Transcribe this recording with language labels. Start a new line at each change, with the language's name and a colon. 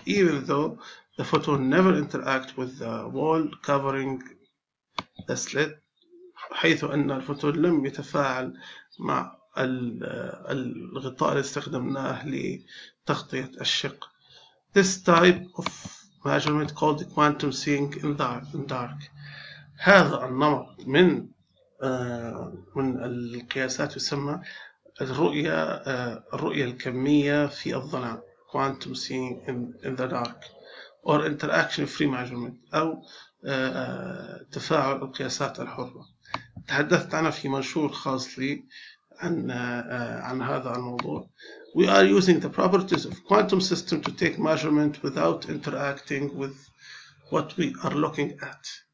English: Even though the photon never interact with the wall covering the slit,
Arabic: حيث أن الفوتون لم يتفاعل مع الغطاء اللي استخدمناه لتغطية الشق.
English: This type of measurement called quantum seeing in dark.
Arabic: هذا النمط من القياسات يسمى الرؤية الكمية في الظلام
English: quantum seeing in the dark or interaction free measurement
Arabic: أو تفاعل القياسات الحرة. تحدثت عنها في منشور خاص لي عن هذا الموضوع.
English: We are using the properties of quantum system to take measurement without interacting with what we are looking at.